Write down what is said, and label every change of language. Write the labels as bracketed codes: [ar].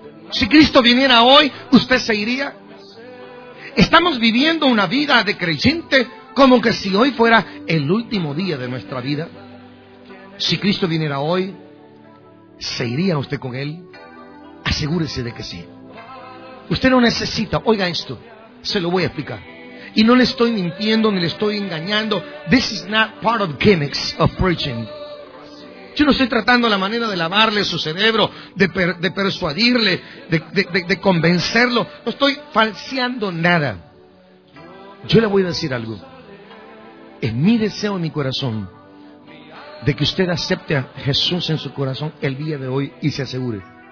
[es] Si Cristo viniera hoy, ¿usted se iría? Estamos viviendo una vida de creyente como que si hoy fuera el último día de nuestra vida. Si Cristo viniera hoy, ¿se iría usted con Él? Asegúrese de que sí. Usted no necesita, oiga esto, se lo voy a explicar. Y no le estoy mintiendo ni le estoy engañando. [en] This is not part of gimmicks of preaching. [es] Yo no estoy tratando la manera de lavarle su cerebro, de persuadirle, de convencerlo. No estoy falseando nada. Yo le voy a decir algo. Es mi deseo en mi corazón de que usted acepte a Jesús en su corazón el día de hoy y se asegure.